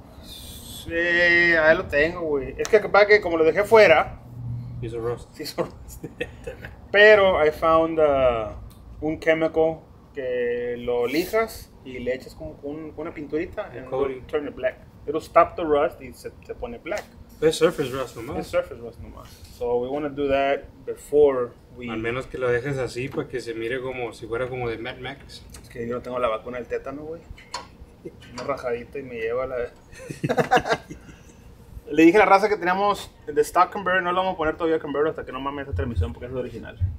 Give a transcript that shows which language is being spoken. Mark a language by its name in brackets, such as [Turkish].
[Spanish] Sí, ahí lo tengo, güey. Es que capaz que como lo dejé fuera. Hizo rust. [English] Hizo rust. Pero I found un chemical. [Spanish] Que lo lijas y le echas como una pinturita y [English] turn it black. It'll stop the rust [Spanish] y se pone [English] black. [Spanish] Es [English] surface rust [Spanish] nomás. Es [English] surface rust [Spanish] nomás. [English] So we want to do that before we. [Spanish] Al menos que lo dejes así para que se mire como si fuera como de Mad Max. Es que yo no tengo la vacuna del tétano, güey. Una rajadita y me lleva la. Le dije a la raza que teníamos de stock converter, no lo vamos a poner todavía converter hasta que no mames esta transmisión porque es original.